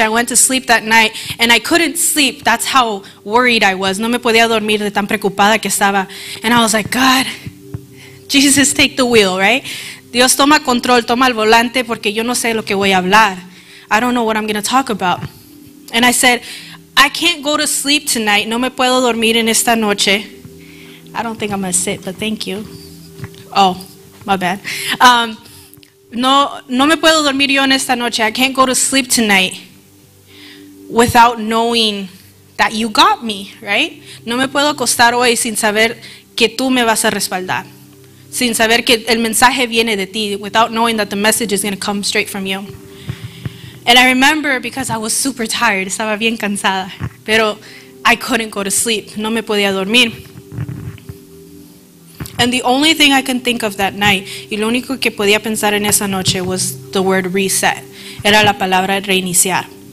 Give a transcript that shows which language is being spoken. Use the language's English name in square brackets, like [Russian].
[English] I went to sleep that night and I couldn't sleep. That's how worried I was. [Spanish] No me podía dormir de tan preocupada que estaba. [English] And I was like, God, Jesus, take the wheel, right? [Spanish] Dios, toma control, toma el volante porque yo no sé lo que voy a hablar. [English] I don't know what I'm going to talk about. And I said, I can't go to sleep tonight. [Spanish] No me puedo dormir en esta noche. [English] I don't think I'm going to sit, but thank you. Oh, my bad. [Spanish] No me puedo dormir yo en esta noche. [English] I can't go to sleep tonight without knowing that you got me, right? [Spanish] No me puedo acostar hoy sin saber que tú me vas a respaldar. Sin saber que el mensaje viene de ti. [English] Without knowing that the message is going to come straight from you. And I remember because I was super tired, [Spanish] estaba bien cansada, [English] pero I couldn't go to sleep, [Spanish] no me podía dormir. [English] And the only thing I can think of that night, [Spanish] y lo único que podía pensar en esa noche [English] was the word reset, [Spanish] era la palabra reiniciar.